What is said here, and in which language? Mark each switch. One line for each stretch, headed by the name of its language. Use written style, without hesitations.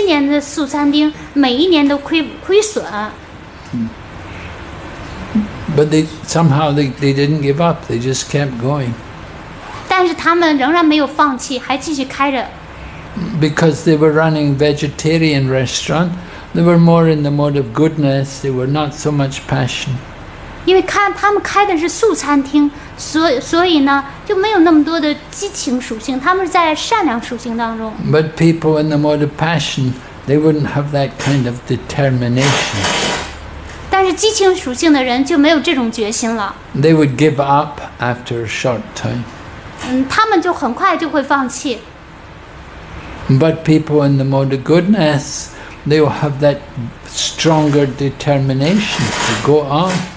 Chinese: 哦，他们俩呢，然后就说呀，他们开了7年的素餐厅，每一年都亏损。
English: But they somehow didn't give up. They just kept going.
Chinese: 但是他们仍然没有放弃，还继续开着。
English: Because they were running vegetarian restaurant, they were more in the mode of goodness. They were not so much passion.
Chinese: 因为他们开的是素餐厅，所以呢就没有那么多的激情属性。他们在善良属性当中。
English: But people in the mode of passion, they wouldn't have that kind of determination.
Chinese: 但是激情属性的人就没有这种决心了。
English: They would give up after a short time.
Chinese: 他们就很快就会放弃。
English: But people in the mode of goodness, they will have that stronger determination to go on.